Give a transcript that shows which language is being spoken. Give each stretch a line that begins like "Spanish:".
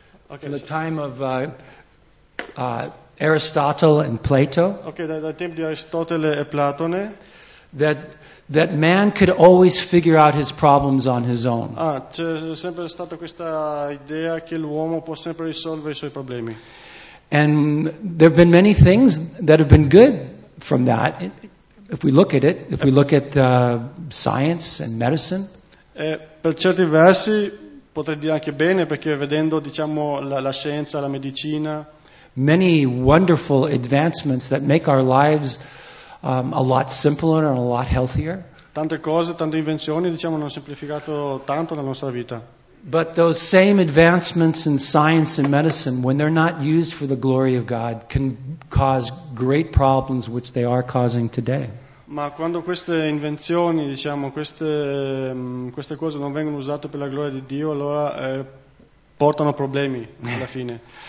English: Okay, from the time of Aristotle and Plato.
Italian: Okay, dal tempo di Aristotele e Platone.
English: That man could always figure out his problems on his own.
Italian: Ah, c'è sempre stata questa idea che l'uomo può sempre risolvere I suoi problemi.
English: And there have been many things that have been good from that. If we look at it, if we look at science and medicine.
Italian: Per certi versi potrei dire anche bene perché vedendo diciamo la scienza, la medicina.
English: Many wonderful advancements that make our lives a lot simpler and a lot healthier.
Italian: Tante cose, tante invenzioni, diciamo, hanno semplificato tanto la nostra vita.
English: But those same advancements in science and medicine, when they're not used for the glory of God, can cause great problems, which they are causing today.
Italian: Ma quando queste invenzioni, diciamo, queste cose non vengono usate per la gloria di Dio, allora portano problemi alla fine.